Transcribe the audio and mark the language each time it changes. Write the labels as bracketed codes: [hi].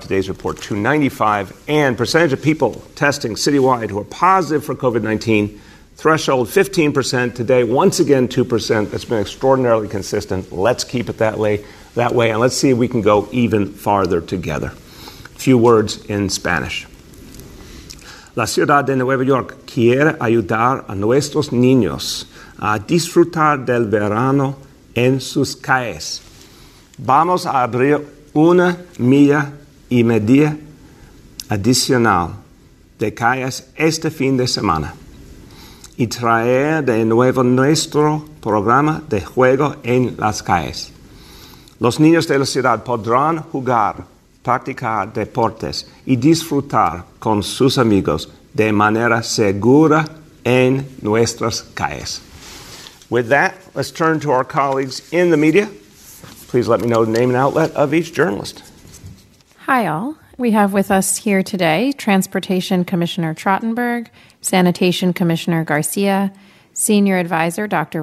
[en] Today's report, 295. And percentage of people testing citywide who are positive for COVID-19, threshold 15%. Today, once again, 2%. That's been extraordinarily consistent. Let's keep it that way, and let's see if we can go even farther together. A few words in Spanish. [es] La ciudad de Nueva York quiere ayudar a nuestros niños a disfrutar del verano en sus calles. Vamos a abrir una milla y media adicional de calles este fin de semana y traer de nuevo nuestro programa de juego en las calles. Los niños de la ciudad podrán jugar, practicar deportes y disfrutar con sus amigos de manera segura en nuestras calles. [en] With that, let's turn to our colleagues in the media. Please let me know the name and outlet of each journalist. Hi, all. We have with us here today Transportation Commissioner Trottenberg, Sanitation Commissioner Garcia, Senior Advisor Dr.